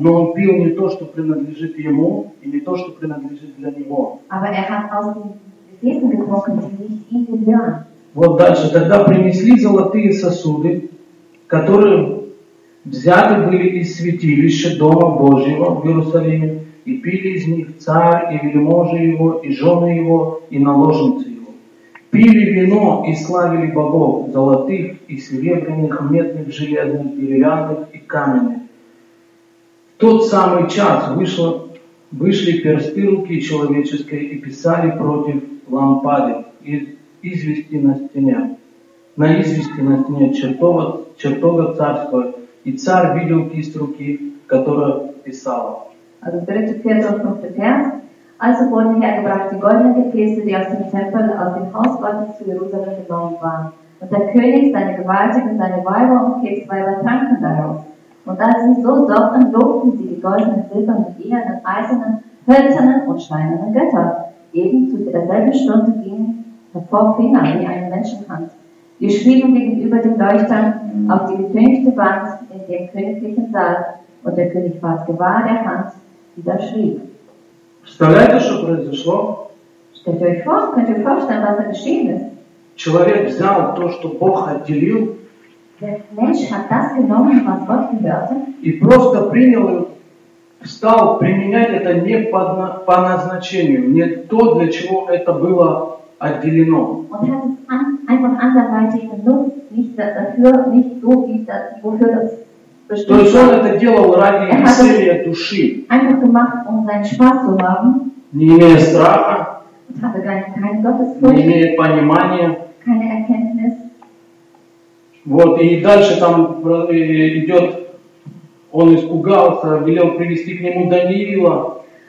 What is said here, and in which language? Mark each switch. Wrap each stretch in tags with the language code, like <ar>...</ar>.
<ru>Но он пил не то, что принадлежит ему, и не то, что принадлежит для него.</ru> <de>Aber er hat aus den Gefäßen getrunken, die nicht ihm gehören.</de> <ru>Вот дальше. Тогда принесли золотые сосуды, которые взяты были из святилища Дома Божьего в Иерусалиме, и пили из них царь и вельможи его, и жены его, и наложницы его. Пили вино и славили богов золотых и серебряных, медных, железных, деревянных и каменных. В тот самый час вышли персты руки человеческой и писали против лампады извести на стене, на извести на стене чертога царства, и царь видел кисть руки, которая писала.</ru> <de>Also 3.4.5. Also wurden hergebracht die goldenen Gefäße, die aus dem Tempel, aus dem Haus Gottes zu Jerusalem genommen waren. Und der König, seine Gewaltigen, seine Weiber und Kriegsweiber tranken daraus. Und als sie so sorgten, lobten sie die goldenen, silbernen, ehernen, eisernen, hölzernen und steinernen Götter. Eben zu derselben Stunde gingen hervor Finger wie eine Menschenhand. Die schrieben gegenüber den Leuchtern auf die getünchte Wand in dem königlichen Saal. Und der König war gewahr der Hand, die da schrieb.</de> <ru>Представляете, что произошло?</ru> <de>Stellt euch vor, könnt ihr vorstellen, was da geschehen ist?</de> <ru>Человек взял то, что Бог отделил.</ru> <de>Der Mensch hat das genommen, was Gott gehörte.</de> <ru>И просто принял, стал применять это не по назначению, не то, для чего это было отделено.</ru> <de>Und hat es einfach anderweitig genutzt, nicht dafür, nicht so, wie das, wofür das.</de> <ru>То есть он это делал ради веселья души.</ru> <de>Gemacht, um</de> <ru>не имея страха.</ru> <de>Gar</de> <ru>не имея понимания.</ru> <de>Keine</de> <ru>вот, и дальше там идет, он испугался, велел привести к нему Даниила.</ru>